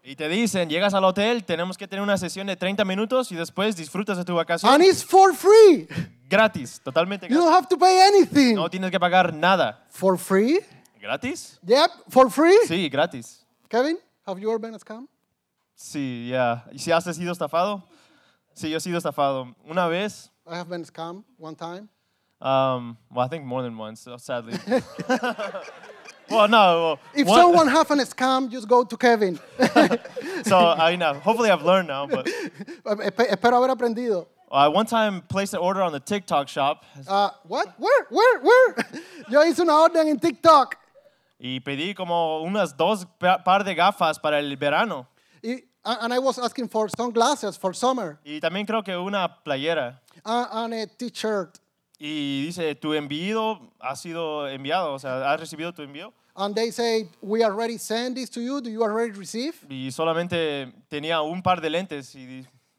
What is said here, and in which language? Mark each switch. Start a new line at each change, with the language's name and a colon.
Spanish: Y te dicen, llegas al hotel, tenemos que tener una sesión de 30 minutos y después disfrutas de tu vacación.
English: And it's for free.
Spanish: Gratis, totalmente gratis.
English: You don't have to pay anything.
Spanish: No tienes que pagar nada.
English: For free.
Spanish: ¿Gratis?
English: Yep, for free?
Spanish: Sí, gratis.
English: Kevin, have you ever been scammed?
Spanish: Sí, yeah. ¿Y si has sido estafado? Sí, yo he sido estafado. Una vez.
English: I have been scammed one time. Well, I think more than once, sadly. Well, no. If someone has a scam, just go to Kevin. So, I know. Hopefully I've learned now, but
Spanish: espero haber aprendido.
English: I one time placed an order on the TikTok shop. What? Where?
Spanish: Yo hice una orden en TikTok. Y pedí como unas dos par de gafas para el verano.
English: And I was asking for sunglasses for summer.
Spanish: Y también creo que una playera.
English: And a t-shirt.
Spanish: Y dice, tu envío ha sido enviado, o sea, has recibido tu envío.
English: And they say, "We already sent this to you. Do you already receive?"
Spanish: Y solamente tenía un par de lentes y dice,